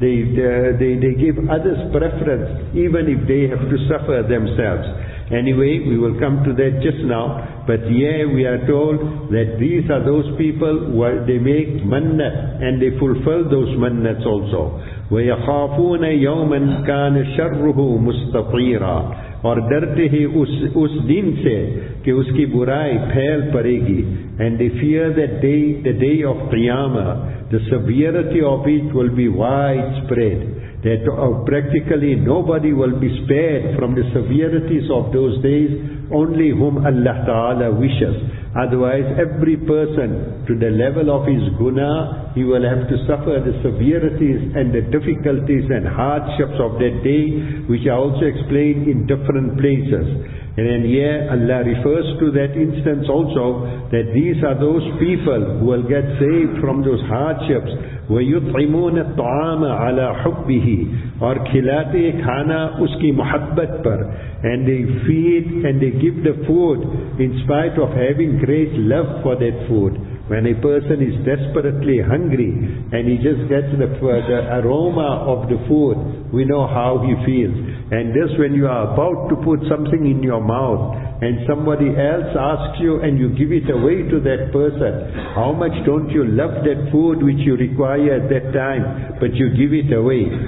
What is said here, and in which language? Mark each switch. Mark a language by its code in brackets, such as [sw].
[en] They give others preference, even if they have to suffer themselves. Anyway, we will come to that just now. But here we are told that these are those people where they make mannat and they fulfill those mannats also. [ar] وَيَخَافُونَ يَوْمًا كَانَ شَرُّهُ مُسْتَطِيرًا. [ur] اور ڈرتے ہیں اس دن سے کہ اس کی برائی پھیل پڑے گی. [en] And they fear that day, the day of Qiyamah, the severity of it will be widespread. That practically nobody will be spared from the severities of those days, only whom Allah Ta'ala wishes. Otherwise, every person to the level of his guna, he will have to suffer the severities and the difficulties and hardships of that day, which are also explained in different places. And then here Allah refers to that instance also, that these are those people who will get saved from those hardships. [ar] وَيُطْعِمُونَ الطَّعَامَ عَلَىٰ حُبِّهِ. [ur] اور کھلاتے کھانا اس کی محبت پر. [en] And they feed and they give the food in spite of having great love for that food. When a person is desperately hungry and he just gets the aroma of the food, we know how he feels. And this, when you are about to put something in your mouth and somebody else asks you and you give it away to that person, how much don't you love that food which you require at that time, but you give it away.